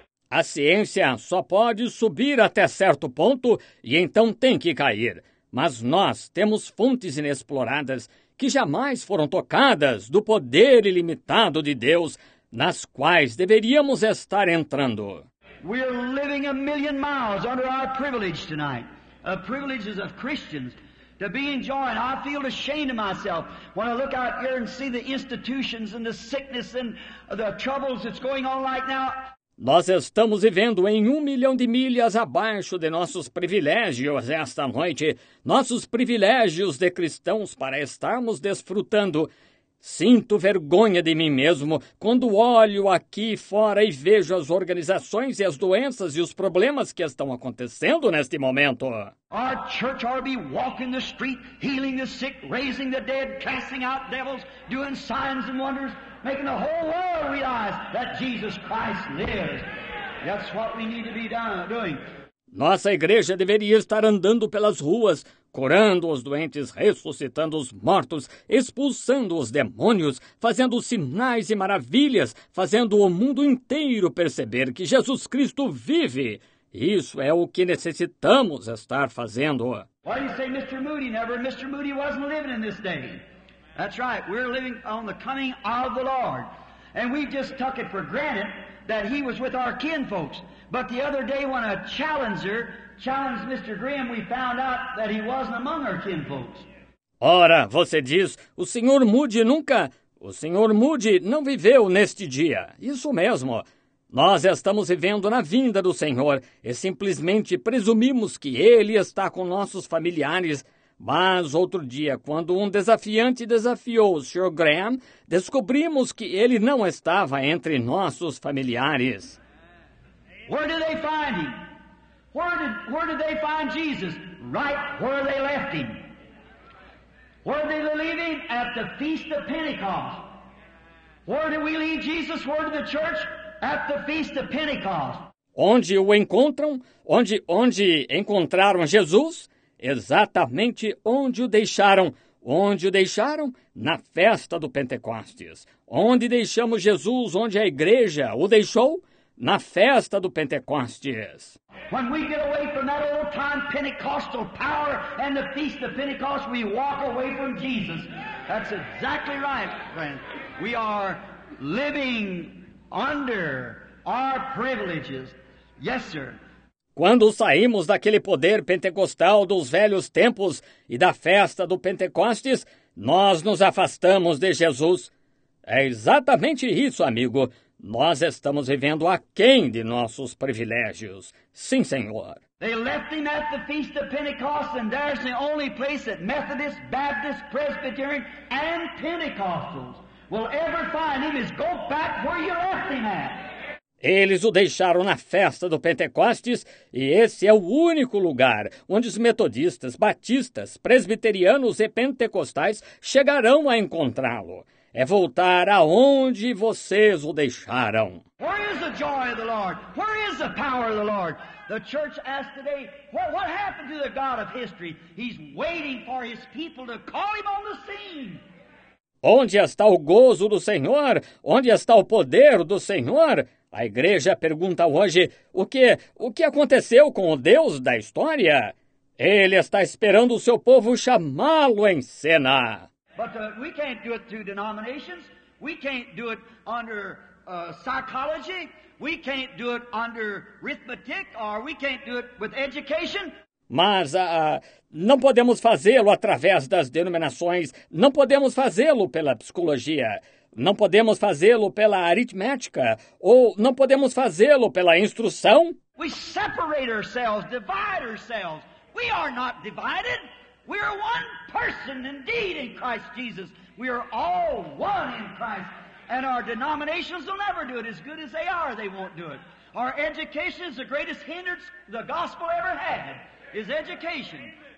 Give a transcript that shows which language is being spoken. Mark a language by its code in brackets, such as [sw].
[pt] A ciência só pode subir até certo ponto e então tem que cair. Mas nós temos fontes inexploradas que jamais foram tocadas do poder ilimitado de Deus nas quais deveríamos estar entrando. [en] We're living a million miles under our privilege tonight, a privileges of Christians. To be enjoying, I feel ashamed of myself when I look out here and see the institutions and the sickness and the troubles that's going on right now. [pt] Nós estamos vivendo em 1 milhão de milhas abaixo de nossos privilégios esta noite, nossos privilégios de cristãos para estarmos desfrutando. Sinto vergonha de mim mesmo quando olho aqui fora e vejo as organizações e as doenças e os problemas que estão acontecendo neste momento. [en] Our church ought to be walking the street, healing the sick, raising the dead, casting out devils, doing signs and wonders, making the whole world realize that Jesus Christ lives. That's what we need to be doing. [pt] Nossa igreja deveria estar andando pelas ruas, curando os doentes, ressuscitando os mortos, expulsando os demônios, fazendo sinais e maravilhas, fazendo o mundo inteiro perceber que Jesus Cristo vive. Isso é o que necessitamos estar fazendo. [en] Why do you say Mr. Moody never? Mr. Moody wasn't living in this day. That's right. We're living on the coming of the Lord. And we just took it for granted that he was with our kin folks. But the other day when a challenger challenged Mr. Graham, we found out that he wasn't among our kin folks. [pt] Ora, você diz, o Sr. Moody nunca... O Sr. Moody não viveu neste dia. Isso mesmo. Nós estamos vivendo na vinda do Senhor e simplesmente presumimos que Ele está com nossos familiares. Mas outro dia, quando um desafiante desafiou o Sr. Graham, descobrimos que ele não estava entre nossos familiares. [en] Where did they find him? Where did they find Jesus? Right where they left him. Where did they leave him? At the Feast of Pentecost. Where did we leave Jesus? Where did the church? At the Feast of Pentecost. [pt] Onde o encontram? Onde encontraram Jesus? Exatamente onde o deixaram. Onde o deixaram? Na festa do Pentecostes. Onde deixamos Jesus? Onde a igreja o deixou? Na festa do Pentecostes. [en] When we get away from that old time Pentecostal power and the Feast of Pentecost, we walk away from Jesus. That's exactly right, friend. We are living under are privileges. Yes, sir. [pt] Quando saímos daquele poder pentecostal dos velhos tempos e da festa do Pentecostes, nós nos afastamos de Jesus. É exatamente isso, amigo. Nós estamos vivendo aquém de nossos privilégios. Sim, Senhor. [en] They left him at the Feast of Pentecost, and there's the only place that Methodist, Baptist, Presbyterian, and Pentecostals will ever find him is go back where you left him at. [pt] Eles o deixaram na festa do Pentecostes, e esse é o único lugar onde os metodistas, batistas, presbiterianos e pentecostais chegarão a encontrá-lo. É voltar aonde vocês o deixaram. [en] Where is the joy of the Lord? Where is the power of the Lord? The church asks today, what happened to the God of history? He's waiting for his people to call him on the scene. [pt] Onde está o gozo do Senhor? Onde está o poder do Senhor? A igreja pergunta hoje, o que aconteceu com o Deus da história? Ele está esperando o seu povo chamá-lo em cena. [en] But we can't do it through denominations. We can't do it under psychology. We can't do it under arithmetic, or we can't do it with education. [pt] Mas não podemos fazê-lo através das denominações. Não podemos fazê-lo pela psicologia. Não podemos fazê-lo pela aritmética. Ou não podemos fazê-lo pela instrução. [en] We separate ourselves, divide ourselves. We are not divided. We are one person indeed in Christ Jesus. We are all one in Christ. And our denominations will never do it. As good as they are, they won't do it. Our education is the greatest hindrance the gospel ever had, is education.